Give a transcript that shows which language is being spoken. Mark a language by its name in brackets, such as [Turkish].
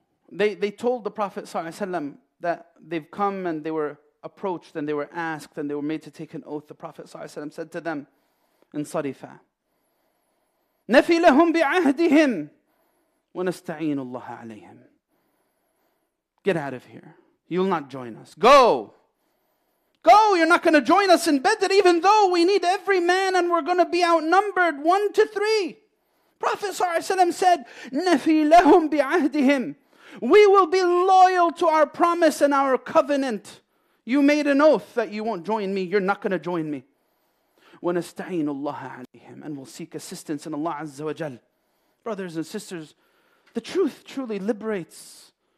[English] They told the Prophet sallallahu alaihi wasallam that they've come and they were approached and they were asked and they were made to take an oath. The Prophet sallallahu alaihi wasallam said to them, [Arabic] "In sarifa, nafi lahum bi'ahdihim wa nasta'inu Allah alayhim." [English] Get out of here. You'll not join us. Go. Go. You're not going to join us in Badr, even though we need every man and we're going to be outnumbered 1 to 3. Prophet ﷺ said, [Arabic] نَفِي لَهُمْ بِعَهْدِهِمْ. [English] We will be loyal to our promise and our covenant. You made an oath that you won't join me. You're not going to join me. [Arabic] وَنَسْتَعِينُ اللَّهَ عَلَيْهِمْ. [English] And we'll seek assistance in Allah Azza wa Jal. Brothers and sisters, the truth truly liberates.